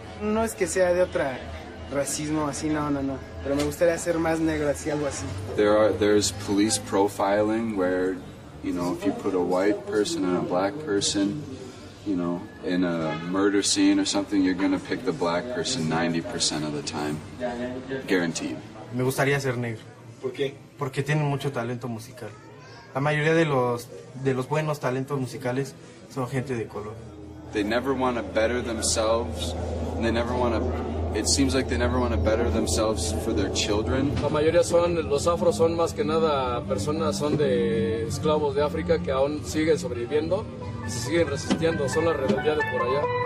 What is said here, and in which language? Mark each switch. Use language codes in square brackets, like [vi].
[es] No es que sea de otra racismo así, no, pero me gustaría ser más negro, así, algo así. [en] There's police profiling where, you know, if you put a white person and a black person, you know, in a murder scene or something, you're gonna pick the black person 90% of the time, guaranteed. [es] Me gustaría ser negro. ¿Por qué? Porque tienen mucho talento musical. La mayoría de los buenos talentos musicales son gente de color. [en] They never want to better themselves, and they never want to, it seems like they never want to better themselves for their children. [es] La mayoría son, los afros son más que nada personas, son de esclavos de África que aún siguen sobreviviendo, y se siguen resistiendo, son la rebeldía de por allá.